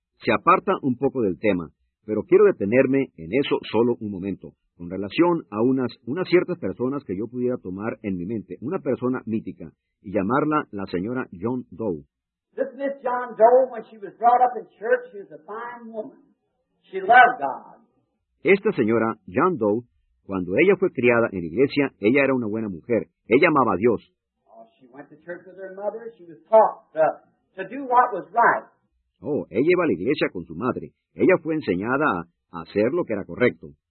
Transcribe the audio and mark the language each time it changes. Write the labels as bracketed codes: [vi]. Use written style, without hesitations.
[es] Se aparta un poco del tema. Pero quiero detenerme en eso solo un momento, con relación a unas ciertas personas que yo pudiera tomar en mi mente, una persona mítica, y llamarla la señora John Doe. [en] This Miss John Doe, when she was brought up in church, she was a fine woman. She loved God. [es] Esta señora, John Doe, cuando ella fue criada en la iglesia, ella era una buena mujer. Ella amaba a Dios. [en] Oh, she went to church with her mother. She was taught to do what was right. [es] Oh, ella iba a la iglesia con su madre. Ella fue enseñada a hacer lo que era correcto.